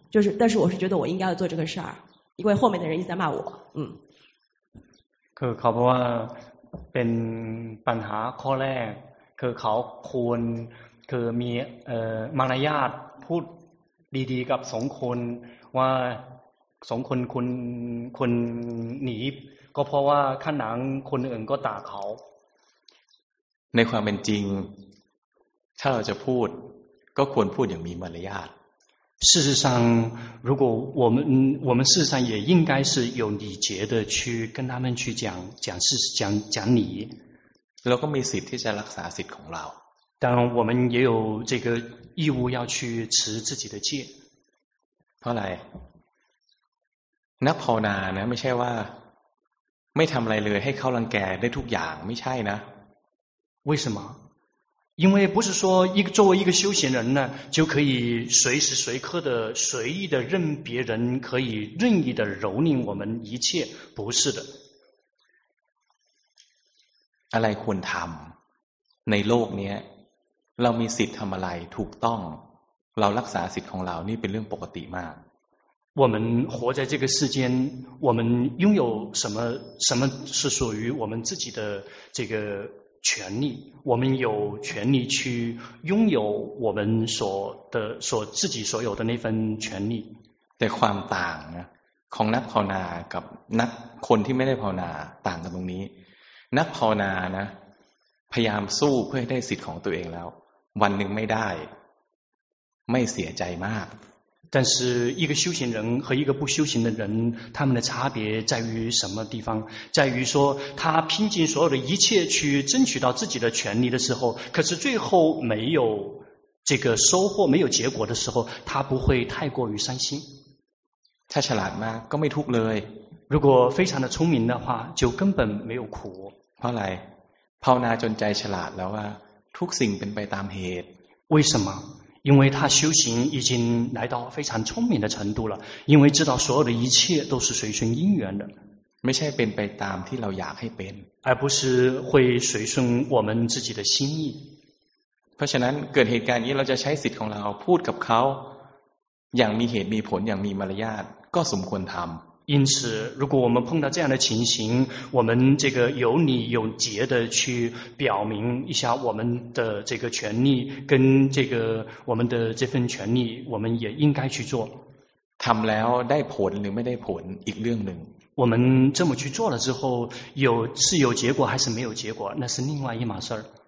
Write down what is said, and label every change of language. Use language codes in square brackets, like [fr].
[zh] 就是，但是我是觉得我应该要做这个事儿，因为后面的人一直在骂我。嗯。 [th] เขาบอกว่าเป็นปัญหาข้อแรกคือเขาควรคือมีมารยาทพูดดีๆกับสองคนว่าสองคนคนหนีก็เพราะว่าข้างหลังคนอื่นก็ด่าเขา ในความเป็นจริงถ้าเราจะพูดก็ควรพูดอย่างมีมารยาท [zh] 事实上如果我们事实上也应该是有礼节的去跟他们去讲事实讲理 [th] เราก็มีสิทธิ์ที่จะรักษาสิทธิ์ของเรา แต่ [zh] 我们也有这个义务要去持自己的戒 [th] เพราะอะไรนักภาวนานะไม่ใช่ว่าไม่ทำอะไรเลยให้เขารังแกได้ทุกอย่างไม่ใช่นะ [zh] 为什么因为不是说一个作为一个修行人呢就可以随时随刻的随意的任别人可以任意的蹂躏我们一切不是的 [th] อะไรควรทำในโลกเนี้ยเรามีสิทธิ์ทำอะไรถูกต้องเรารักษาสิทธิ์ของเรานี่เป็นเรื่องปกติมาก [zh] 我们活在这个世间我们拥有什么什么是属于我们自己的这个权利我们有权利去拥有我们所自己所有的那份权利 [th] แต่ความต่างของนักภาวนากับนักคนที่ไม่ได้ภาวนาต่างกันตรงนี้นักภาวนานะพยายามสู้เพื่อให้ได้สิทธิ์ของตัวเองแล้ววันหนึ่งไม่ได้ไม่เสียใจมาก [zh] 但是一个修行人和一个不修行的人，他们的差别在于什么地方？在于说他拼尽所有的一切去争取到自己的权利的时候，可是最后没有这个收获，没有结果的时候，他不会太过于伤心。 [th] ถ้าฉลาดมากก็ไม่ทุกข์เลย。 [zh] 如果非常的聪明的话，就根本没有苦。 [th] เพราะอะไร？ ภาวนาจนใจฉลาดแล้วว่าทุกสิ่งเป็นไปตามเหตุ。 [zh] 为什么？因为他修行已经来到非常聪明的程度了，因为知道所有的一切都是随顺因缘的。 [th] ไม่ใช่เป็นไปตามที่เราอยากให้เป็น。 [zh] 而不是会随顺我们自己的心意。 [th] เพราะฉะนั้นเกิดเหตุการณ์นี้เราจะใช้สิทธิ์ของเราพูดกับเขาอย่างมีเหตุมีผลอย่างมีมารยาทก็สมควรทำ [zh] 因此如果我们碰到这样的情形我们这个有理有节的去表明一下我们的这个权利跟这个我们的这份权利我们也应该去做 [th] ทำแล้วได้ผลหรือไม่ได้ผลอีกเรื่องหนึ่ง [zh] 我们这么去做了之后有是有结果还是没有结果那是另外一码事儿